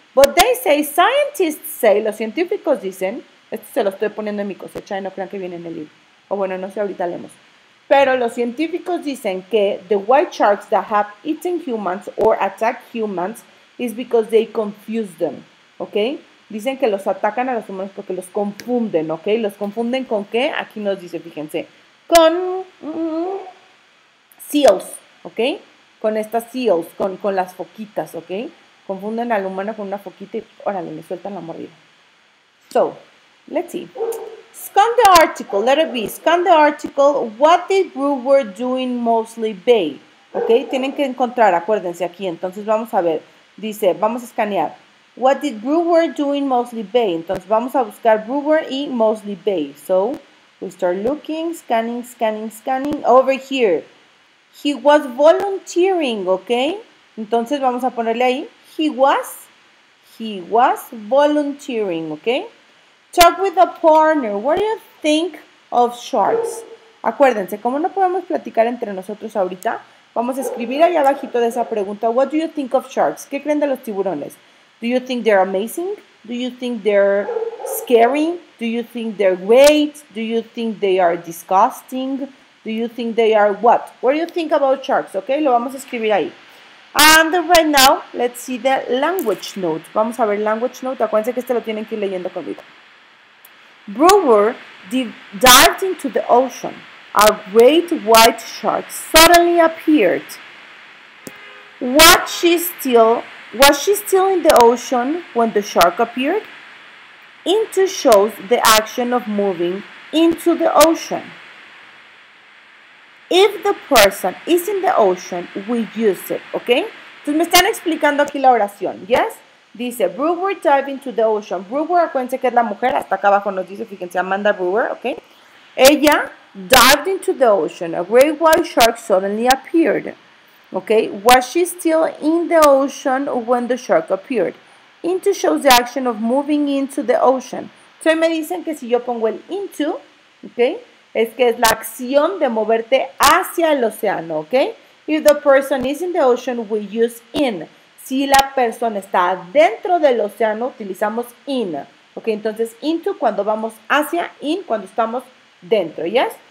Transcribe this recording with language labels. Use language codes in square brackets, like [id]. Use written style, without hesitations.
[en] But they say, scientists say, [es] los científicos dicen, esto se lo estoy poniendo en mi cosecha y no crean que viene en el libro. O bueno, no sé, ahorita leemos. Pero los científicos dicen que [en] the white sharks that have eaten humans or attack humans is because they confuse them, okay? [es] Dicen que los atacan a los humanos porque los confunden, okay? ¿Los confunden con qué? Aquí nos dice, fíjense, con seals, okay? Con estas seals, con las foquitas, okay? Confunden al humano con una foquita y, órale, le sueltan la mordida. [en] So, let's see. Scan the article, letter B, scan the article, what did Brewer doing mostly bay? [es] Ok, tienen que encontrar, acuérdense aquí, entonces vamos a ver, dice, vamos a escanear. [en] What did Brewer doing mostly bay? [es] Entonces vamos a buscar Brewer y [en] mostly bay. So, we start looking, scanning, over here. He was volunteering, ok, [es] entonces vamos a ponerle ahí, [en] he was volunteering, ok. Talk with a partner. What do you think of sharks? [es] Acuérdense, como no podemos platicar entre nosotros ahorita, vamos a escribir ahí abajito de esa pregunta. [en] What do you think of sharks? [es] ¿Qué creen de los tiburones? [en] Do you think they're amazing? Do you think they're scary? Do you think they're great? Do you think they are disgusting? Do you think they are what? What do you think about sharks? Okay, [es] lo vamos a escribir ahí. [en] And right now, let's see the language note. [es] Vamos a ver [en] language note. [es] Acuérdense que este lo tienen que ir leyendo conmigo. [en] Brewer dived into the ocean. A great white shark suddenly appeared. Was she still in the ocean when the shark appeared? Into shows the action of moving into the ocean. If the person is in the ocean, we use it, okay? [es] Entonces me están explicando aquí la oración, yes? Dice, [en] Brewer dive into the ocean. [es] Brewer, acuérdense que es la mujer, hasta acá abajo nos dice, fíjense, Amanda Brewer, okay? [en] Ella dived into the ocean. A great white shark suddenly appeared, okay? Was she still in the ocean when the shark appeared? Into shows the action of moving into the ocean. [es] Entonces me dicen que si yo pongo el into, okay? Es que es la acción de moverte hacia el océano, ¿ok? [en] If the person is in the ocean, we use in. [es] Si la persona está dentro del océano, utilizamos in. ¿Ok? Entonces, into cuando vamos hacia, in cuando estamos dentro, ¿yes?